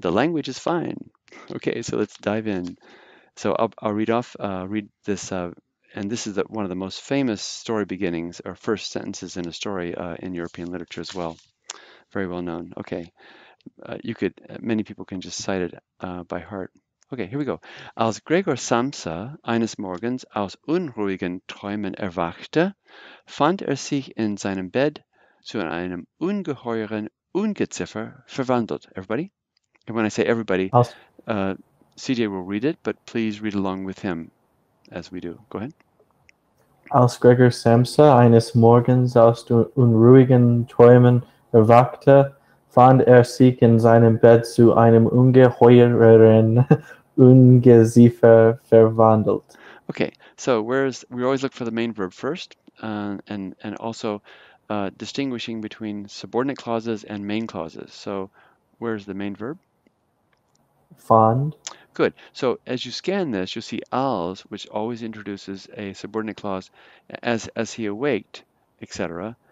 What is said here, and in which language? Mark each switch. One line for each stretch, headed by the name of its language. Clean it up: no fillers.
English: The language is fine." Okay, so let's dive in. So I'll read this. And this is one of the most famous story beginnings or first sentences in a story in European literature as well. Very well known. Okay. Many people can just cite it by heart. Okay, here we go.
German: Als Gregor Samsa eines Morgens aus unruhigen Träumen erwachte, fand sich in seinem Bett zu einem ungeheuren Ungeziffer verwandelt.
English: Everybody? And when I say everybody, CJ will read it, but please read along with him as we do. Go ahead.
German: Als Gregor Samsa eines Morgens aus unruhigen Träumen erwachte, fand sich in seinem Bett zu einem ungeheuren Ungeziefer verwandelt.
English: Okay, so we always look for the main verb first, and also distinguishing between subordinate clauses and main clauses. So where's the main verb?
German: Fand.
English: Good. So as you scan this, you'll see als, which always introduces a subordinate clause, as he awaked, etc.